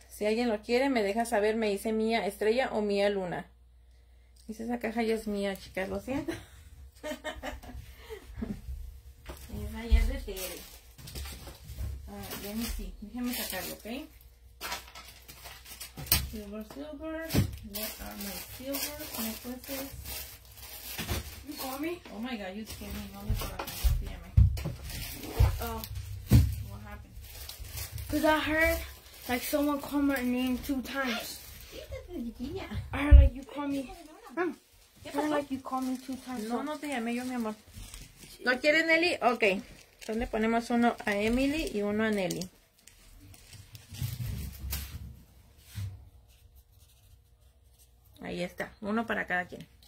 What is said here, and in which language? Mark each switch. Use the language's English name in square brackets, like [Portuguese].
[Spanish] Si alguien lo quiere, me deja saber, me dice Mía Estrella o Mía Luna. Dice, esa caja ya es mía, chicas, lo siento. Esa ya es de Tere. Ah, déjame, sí, déjame sacarlo, ¿ok? [English] Silver, silver, where are my silver, my purses. You call me? Oh my God, you scared me, [Spanish] no me trajo, no me. [English] Oh, what happened? Cause I heard... Like someone called my name two times. Yeah. I heard like you call me. I heard like you call me two times. [Spanish] No, no te llamé yo, mi amor. ¿No quiere Nelly? Ok. ¿Dónde ponemos uno a Emily y uno a Nelly? Ahí está. Uno para cada quien.